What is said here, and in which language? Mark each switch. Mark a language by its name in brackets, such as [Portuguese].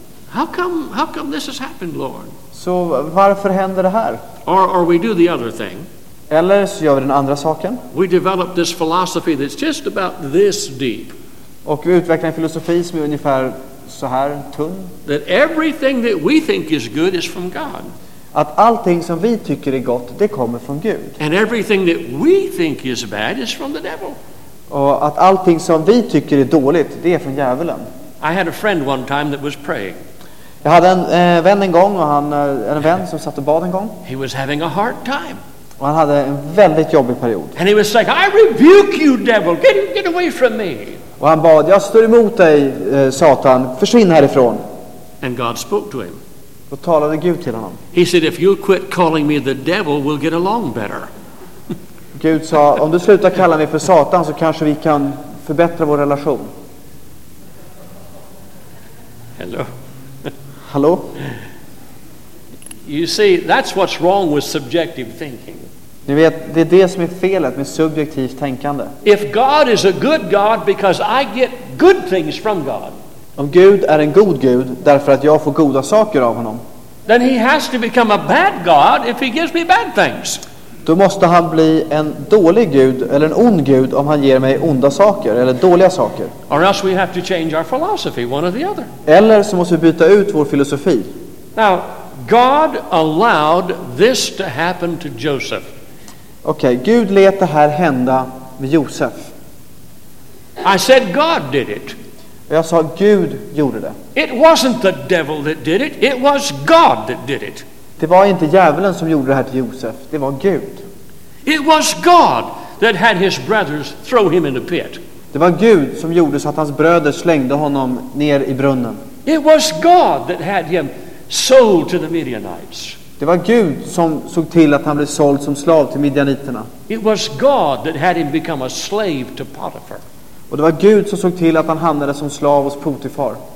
[English] How come this has happened, Lord? [Swedish] Så varför händer det här? [English] Or we do the other thing. [Swedish] Eller så gör vi den andra saken. [English] We develop this philosophy that's just about this deep. [Swedish] Och vi utvecklar en filosofi som är ungefär så här tunn. [English] That everything that we think is good is from God. [Swedish] Att allting som vi tycker är gott, det kommer från Gud. [English] And everything that we think is bad is from the devil. [Swedish] Och att allting som vi tycker är dåligt, det är från djävulen. [English] I had a friend one time that was praying. [Swedish] Jag hade en vän en gång och han en vän som satt och bad en gång. [English] He was having a hard time. [Swedish] Och han hade en väldigt jobbig period. [English] And he was like, "I rebuke you, devil. Get away from me." [Swedish] Och han bad, "Jag står emot dig, Satan. Försvinn härifrån." [English] And God spoke to him. [Swedish] Och talade Gud till honom. [English] He said, "If you quit calling me the devil, we'll get along better." [Swedish] Gud sa, "Om du slutar kalla mig för Satan så kanske vi kan förbättra vår relation." [English] Hello. [Swedish] Hallå? [English] You see, that's what's wrong with subjective thinking. [Swedish] Ni vet, det är det som är felet med subjektivt tänkande. [English] If God is a good God because I get good things from God. [Swedish] Om Gud är en god Gud därför att jag får goda saker av honom. [English] Then he has to become a bad God if he gives me bad things. [Swedish] Då måste han bli en dålig Gud eller en ond Gud om han ger mig onda saker eller dåliga saker. [English] Or else we have to change our philosophy, one or the other. [Swedish] Eller så måste vi byta ut vår filosofi. [English] Now, God allowed this to happen to Joseph. [Swedish] Okej, Gud lät det här hända med Josef. [English] I said God did it. [Swedish] Och jag sa, Gud gjorde det. [English] It wasn't the devil that did it. It was God that did it. [Swedish] Det var inte djävulen som gjorde det här till Josef. Det var Gud. [English] It was God that had his brothers throw him in a pit. [Swedish] Det var Gud som gjorde så att hans bröder slängde honom ner i brunnen. [English] It was God that had him sold to the Midianites. [Swedish] Det var Gud som såg till att han blev såld som slav till midjaniterna. [English] It was God that had him become a slave to Potiphar. [Swedish] Och det var Gud som såg till att han hamnade som slav hos Potifar.